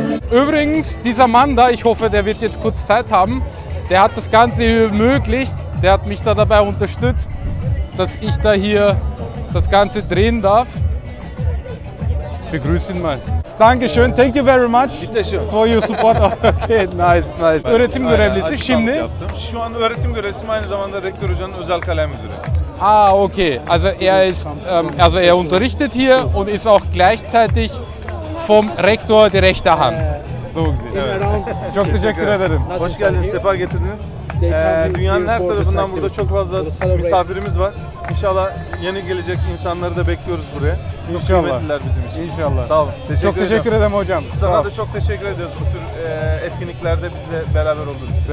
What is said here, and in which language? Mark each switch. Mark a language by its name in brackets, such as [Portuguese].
[German] Übrigens, dieser Mann da, ich hoffe, der wird jetzt kurz Zeit haben, der hat das Ganze hier ermöglicht, der hat mich da dabei unterstützt, dass ich da hier das Ganze drehen darf. Ich begrüße ihn mal. Dankeschön, [English] thank you very much for your support. Okay, nice, nice. [Turkish] Öğretim görevlisi şimdi? Şu an öğretim görevlisi, aynı zamanda rektör hocanın özel kalem müdürü. [English] Ah, okay. [German] Also er ist, also er unterrichtet hier und ist auch gleichzeitig vom Rektor die rechte Hand. [Turkish] So, evet. Çok teşekkür ederim. Hoş geldiniz, sefa getirdiniz. Dünyanın her tarafından burada çok fazla misafirimiz var. İnşallah yeni gelecek insanları da bekliyoruz buraya. Çok İnşallah. Kıymetliler bizim için. İnşallah. Sağ ol. Çok teşekkür ederim hocam. Sana da çok teşekkür ediyoruz bu tür etkinliklerde bizle beraber olduğunuz için.